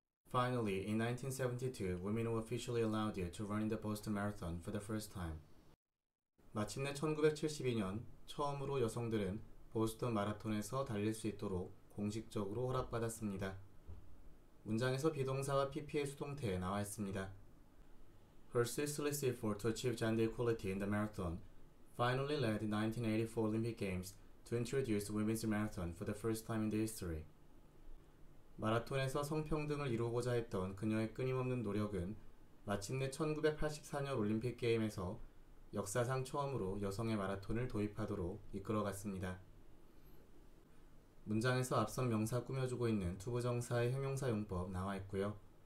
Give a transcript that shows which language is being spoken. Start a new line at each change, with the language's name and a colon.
English: Finally, in 1972, women were officially allowed to run in the Boston Marathon for the first time.
Korean: 마침내 1972년 처음으로 여성들은 보스턴 마라톤에서 달릴 수 있도록 공식적으로 허락받았습니다. 문장에서 비동사와 PP의 수동태에 나와 있습니다.
English: Her ceaseless effort to achieve gender equality in the marathon finally led the 1984 Olympic Games to introduce women's marathon for the first time in the history.
Korean: 마라톤에서 성평등을 이루고자 했던 그녀의 끊임없는 노력은 마침내 1984년 올림픽 게임에서 역사상 처음으로 여성의 마라톤을 도입하도록 이끌어갔습니다. 문장에서 앞선 명사 꾸며주고 있는 투부정사의 형용사 용법 나와 있고요.